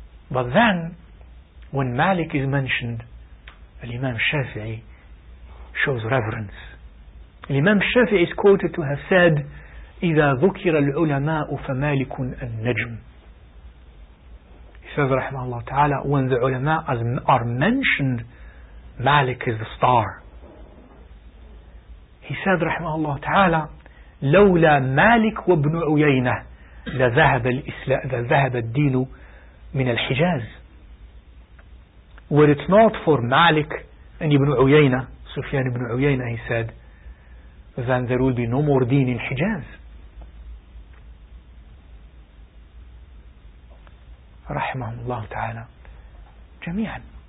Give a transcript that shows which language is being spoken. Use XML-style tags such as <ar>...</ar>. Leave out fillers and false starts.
<en>But then when Malik is mentioned, al-Imam Shafi'i shows reverence. Al-Imam Shafi'i is quoted to have said,</en> <ar>إِذَا ذُكِرَ الْعُلَمَاءُ فَمَالِكٌ النَّجْمُ.</ar> <en>He says, rahimahullah ta'ala, when the ulama are mentioned, Malik is the star. He said,</en> <ar>rahimahullah ta'ala, لَوْلَا مَالِكْ وَابْنُ عُيَيْنَةِ لَذَهَبَ الْإِسْلَاءِ لَذَهَبَ الدِّينُ مِنَ الْحِجَازِ.</ar> <en>Were it not for Malik and Ibn Uyayna, Sufyan ibn Uyayna, he said, then there will be no more deen in Hijaz.</en> <ar>Rahimahullah ta'ala jami'an.</ar>